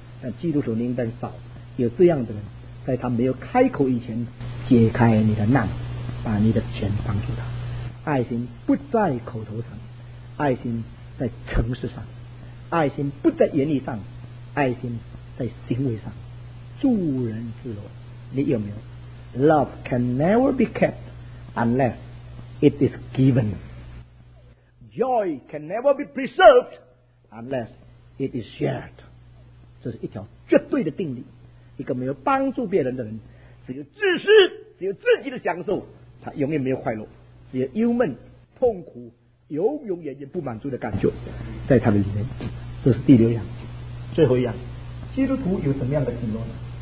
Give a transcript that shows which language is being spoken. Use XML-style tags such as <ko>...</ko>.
<zh>但基督徒应该少有这样的人，在他没有开口以前，解开你的难，把你的钱帮助他。爱心不在口头上，爱心在诚实上，爱心不在言语上，爱心在行为上。助人自乐，你有没有？</zh> <en>Love can never be kept unless it is given. Joy can never be preserved unless it is shared.</en> <zh>这是一条绝对的定理。一个没有帮助别人的人，只有自私，只有自己的享受，他永远没有快乐，只有忧闷痛苦，永远也不满足的感觉在他的里面。这是第六样，最后一样，基督徒有什么样的形容呢？</zh>